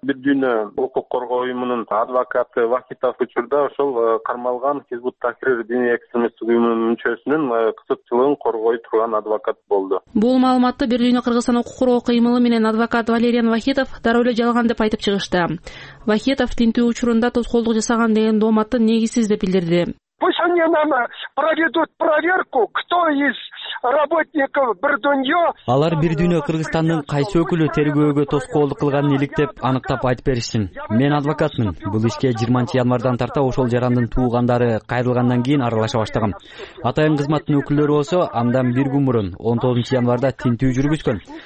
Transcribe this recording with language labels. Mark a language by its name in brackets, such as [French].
[Kyrgyz] Бир дүйнө укук коргоо уюмунун адвокаты Вахитов учурда ошол кармалган Хизбут-Тахрир диний экстремисттик уюмунун мүчөсүнүн кысыкчылыгын коргой турган адвокат болду. Бул маалыматты бир дүйнө Кыргызстан укук коргоо кыймылы менен адвокат Валериан Вахитов дароо эле жалган деп айтып чыгышты. Вахитов тинтүү учурунда тоскоолдук жасаган деген дооматты негизсиз деп билдирди. [Russian] Пусть они нам проведут проверку, кто из работников Бирдуньо. [Kyrgyz] Алар Бирдуньо Кыргызстандын кайсы өкүлү тергөөгө тоскоолдук кылганын иликтеп аныктап айтып беришсин. Мен адвокатмын. Бул ишке 20 январдан тарта ошол жарандын туугандары кайрылгандан кийин аралаша баштагам. Атайын кызматтын өкүлдөрү болсо, андан бир күн мурун 19 январда тинтүү жүргүзгөн.